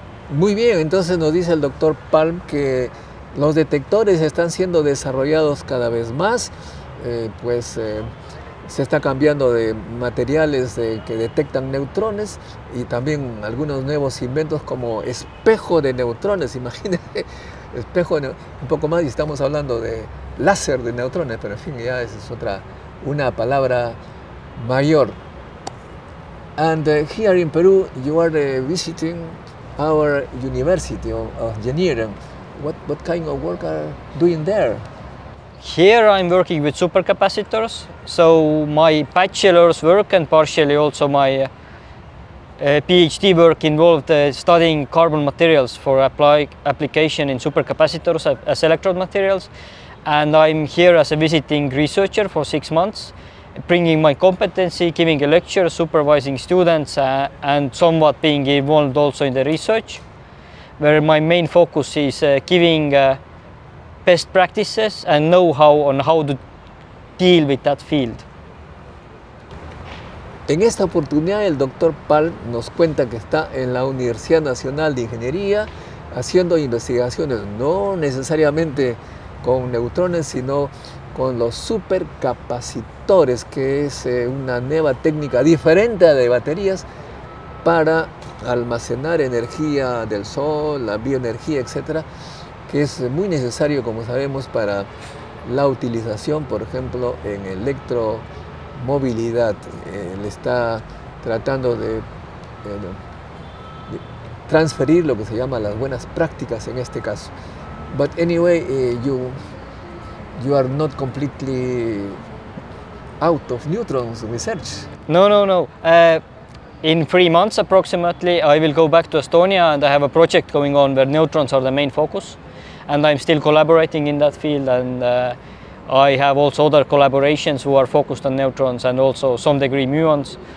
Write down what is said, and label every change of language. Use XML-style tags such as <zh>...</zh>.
<es>Muy bien, entonces nos dice el doctor Palm que los detectores están siendo desarrollados cada vez más, pues se está cambiando de materiales que detectan neutrones y también algunos nuevos inventos como espejo de neutrones, imagínense. Espejo, un poco más, y estamos hablando de láser de neutrones, pero en fin, ya es otra, una palabra mayor.</es> <en>And here in Peru, you are visiting our university of engineering. What kind of work are you doing there? Here I'm working with supercapacitors, so my bachelor's work and partially also my PhD work involved studying carbon materials for application in supercapacitors as electrode materials. And I'm here as a visiting researcher for 6 months, bringing my competency, giving a lecture, supervising students, and somewhat being involved also in the research, where my main focus is giving best practices and know-how on how to deal with that field.</en> <es>En esta oportunidad el doctor Palm nos cuenta que está en la Universidad Nacional de Ingeniería haciendo investigaciones, no necesariamente con neutrones, sino con los supercapacitores, que es una nueva técnica diferente de baterías para almacenar energía del sol, la bioenergía, etc., que es muy necesario, como sabemos, para la utilización, por ejemplo, en electromovilidad. Él está tratando de transferir lo que se llama las buenas prácticas en este caso.</es> <en>But anyway, you are not completely out of neutrons research. No. In 3 months approximately, I will go back to Estonia and I have a project going on where neutrons are the main focus. And I'm still collaborating in that field, and I have also other collaborations who are focused on neutrons and also some degree muons.</en>